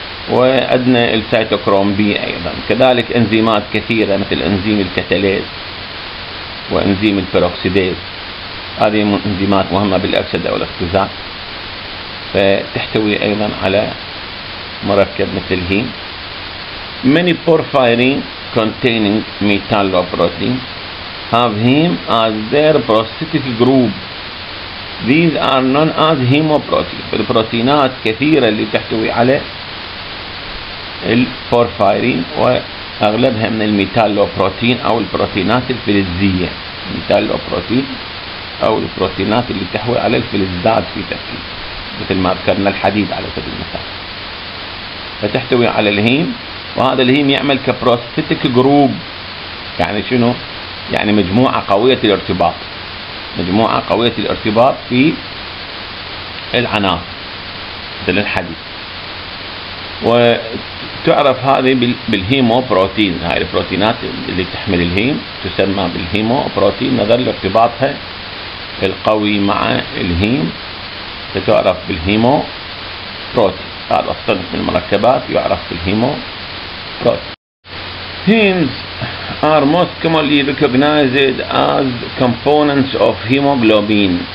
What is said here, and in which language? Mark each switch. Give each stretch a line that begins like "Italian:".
Arabic: وعندنا السيتوكروم بي ايضا، كذلك انزيمات كثيره مثل انزيم الكتاليز وانزيم البيروكسيديز، هذه انزيمات مهمه بالاكسده والاختزال، فتحتوي ايضا على مركب مثل الهيم.
English: Many porphyrin containing metalloproteins have heme as their prosthetic group. These are known as hemoproteins.
Arabic: البروتينات كثيرة اللي تحتوي على البورفايرين وأغلبها من الميتالوبروتين أو البروتينات الفلزية، الميتالوبروتين أو البروتينات اللي تحوي على الفلزات في تركيب، مثل ما ذكرنا الحديد على سبيل المثال، فتحتوي على الهيم، وهذا الهيم يعمل كبروستيتك جروب، يعني شنو؟ يعني مجموعة قوية الارتباط، مجموعة قوية الارتباط في العناصر مثل الحديد، وتعرف هذه بالهيمو بروتين، هاي البروتينات اللي تحمل الهيم تسمى بالهيمو بروتين نظر لارتباطها القوي مع الهيم، تعرف بالهيمو بروتين، هذا الصنف من المركبات يعرف بالهيمو بروتين.
English: Hemes are most commonly recognized as components of hemoglobin.